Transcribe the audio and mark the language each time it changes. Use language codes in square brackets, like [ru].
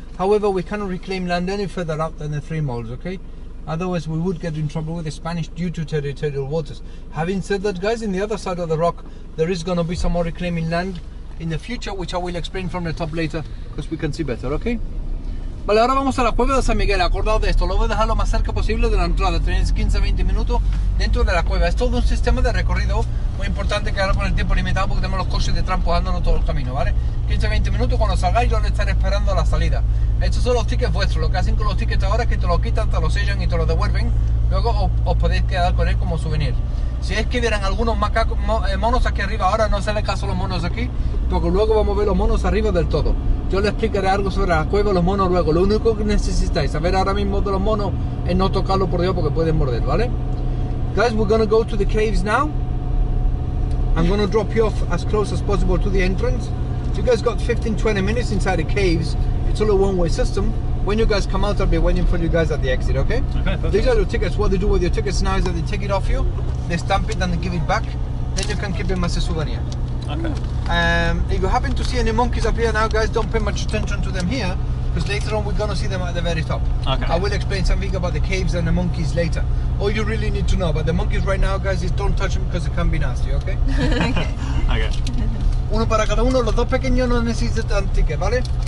[en] However, we cannot reclaim land any further out than the three moles, okay? Otherwise we would get in trouble with the Spanish due to territorial waters. Having said that, guys, in the other side of the rock there is going to be some more reclaiming land in the future, which I will explain from the top later because we can see better, okay? [es] Vale, ahora vamos a la cueva de San Miguel. Acordaos de esto, lo voy a dejar lo más cerca posible de la entrada. Tenéis 15-20 minutos dentro de la cueva. Es todo un sistema de recorrido muy importante que ahora con el tiempo limitado, porque tenemos los coches de trampojándonos todo el camino, ¿vale? 15-20 minutos, cuando salgáis, yo les estaré esperando a la salida. Estos son los tickets vuestros. Lo que hacen con los tickets ahora es que te los quitan, te los sellan y te los devuelven. Luego os podéis quedar con él como souvenir. Si es que vieran algunos monos aquí arriba, ahora no se les caso a los monos aquí, porque luego vamos a ver los monos arriba del todo. Yo les explicaré algo sobre la cueva y los monos luego. Lo único que necesitáis saber ahora mismo de los monos es no tocarlo, por Dios, porque pueden morder, ¿vale? [en] Guys, we're gonna go to the caves now. I'm gonna drop you off as close as possible to the entrance. You guys got 15-20 minutes inside the caves. It's all a one-way system. When you guys come out, I'll be waiting for you guys at the exit, okay? Okay, these are your tickets. What they do with your tickets now is that they take it off you, they stamp it and they give it back. Then you can keep them as a souvenir. Okay. If you happen to see any monkeys up here now, guys, don't pay much attention to them here, because later on we're going to see them at the very top. Okay. I will explain something about the caves and the monkeys later. All you really need to know about the monkeys right now, guys, is don't touch them because it can be nasty, okay? Okay. Okay. [es] Uno para cada uno, los dos pequeños no necesitan ticket, ¿vale?